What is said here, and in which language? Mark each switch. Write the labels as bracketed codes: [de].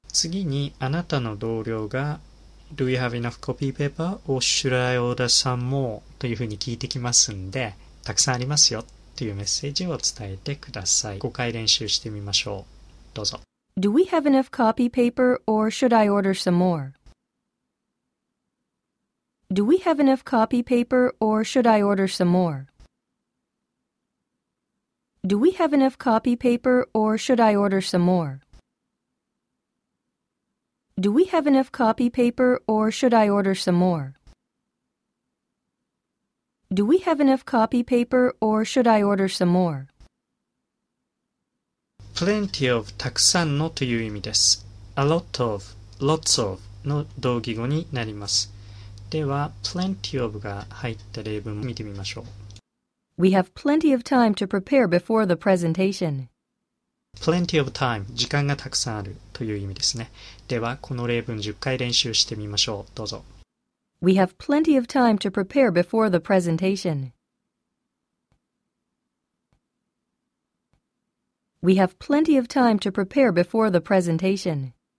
[ja] 次にあなたの同僚が [en] Do you have enough copy paper or should I order some more? [ja] というふうに聞いてきますんでたくさんありますよというメッセージを伝えてください。5回練習してみましょう。どうぞ。 [en] Do we have enough copy paper or should I order some more? Do we have enough copy paper or should I order some more? Do we have enough copy paper or should I order some more? Do we have enough copy paper or should I order some more? Do we have enough copy paper or should I order some more? [ja] Plenty of たくさんのという意味です。 A lot of, lots of の同義語になります。では、plenty of が入った例文を見てみましょう。 [en] We have plenty of time to prepare before the presentation. [ja] Plenty of time 時間がたくさんあるという意味ですね。では、この例文10回練習してみましょう。どうぞ。 [en] We have plenty of time to prepare before the presentation. We have plenty of time to prepare before the presentation.